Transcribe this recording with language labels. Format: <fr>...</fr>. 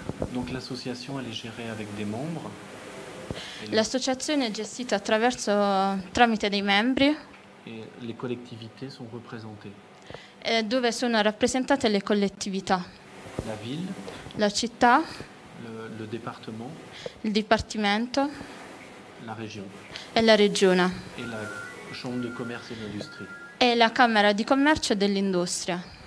<fr>Donc l'association elle est gérée avec des membres.</fr> <it>L'associazione è gestita tramite dei membri.</it> <fr>Et les collectivités sont représentées.</fr> <it>E dove sono rappresentate le collettività?</it> <fr>La ville.</fr> <it>La città.</it> <fr>Le département.</fr> <it>Il dipartimento.</it> <fr>La région.</fr> <it>E la regione.</it> <fr>Et la Chambre de commerce et d'industrie.</fr> <it>E la Camera di Commercio dell'Industria.</it>